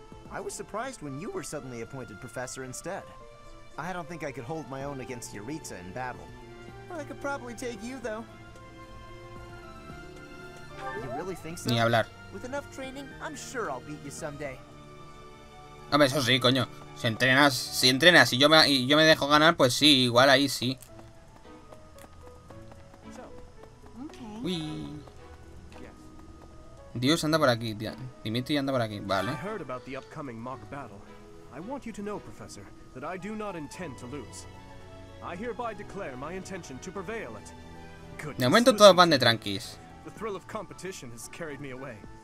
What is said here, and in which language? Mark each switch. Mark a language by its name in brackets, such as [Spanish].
[English] I was surprised when you were suddenly appointed professor instead. I don't think I could hold my own against Yuritsa in battle. I could probably take you, though. You really think so? [Spanish] Ni hablar. [English] With enough training, I'm sure I'll beat you someday. [Spanish] Hombre, eso sí, coño. Si entrenas y yo me dejo ganar, pues sí, igual ahí sí. Uy. Dios anda por aquí, Dimitri anda por aquí, vale. [English] I heard about the upcoming mock battle. I want you to know, Professor, that I do not intend to lose. I hereby declare my intention to prevail at. [Spanish] De momento todos van de tranquis. [English] The thrill of competition has carried me away.